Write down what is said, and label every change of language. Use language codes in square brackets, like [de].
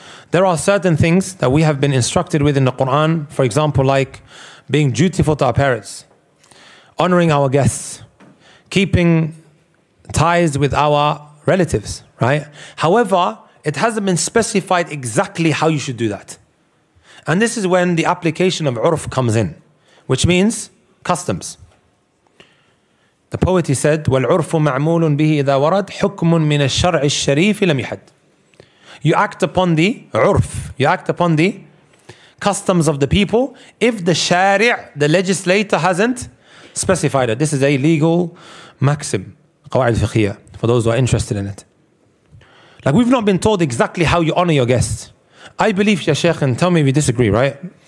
[en] There are certain things that we have been instructed with in the Quran, for example, like being dutiful to our parents, honoring our guests, keeping ties with our relatives, right? However, it hasn't been specified exactly how you should do that. And this is when the application of urf comes in, which means customs. The poet, he said, [ar] وَالْعُرْفُ مَعْمُولٌ بِهِ إِذَا وَرَدْ حُكْمٌ مِنَ الشَّرْعِ الشَّرِيفِ لَمْ يَحَدْ. [en] You act upon the urf, you act upon the customs of the people, if the shari', the legislator, hasn't specified it. This is a legal maxim, قواعد فقهية, for those who are interested in it. Like, we've not been told exactly how you honor your guests. I believe, Ya Sheikh, and tell me if you disagree, right?